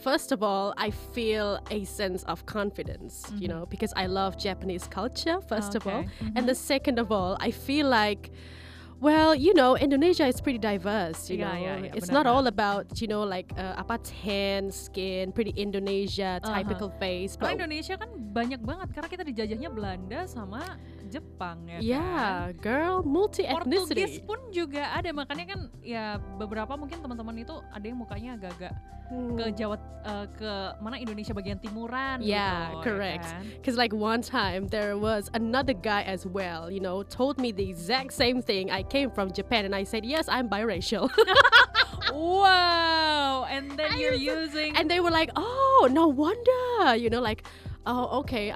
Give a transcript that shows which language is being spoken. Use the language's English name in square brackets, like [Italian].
[English] First of all, I feel a sense of confidence, you know, because I love Japanese culture, first of all. Mm-hmm. And the second of all, I feel like, well, you know, Indonesia is pretty diverse, you know. Yeah, it's not all about, you know, like apa tan skin, pretty Indonesia, typical face. [Indonesian] But Indonesia kan banyak banget karena kita dijajahnya Belanda sama Jepang ya. [English] Yeah, girl, multi ethnicity. [Indonesian] Portugis pun juga ada, makanya kan ya beberapa mungkin teman-teman itu ada yang mukanya agak-agak ke Jawa, ke mana Indonesia bagian timuran. [English] Yeah, [Indonesian] gitu, [English] correct. [Indonesian] Ya kan? [English] Cause like one time there was another guy as well, you know, told me the exact same thing. I came from Japan and I said yes, I'm biracial. Wow, and then I you're using. And they were like, oh, no wonder, you know, like. Oh, okay.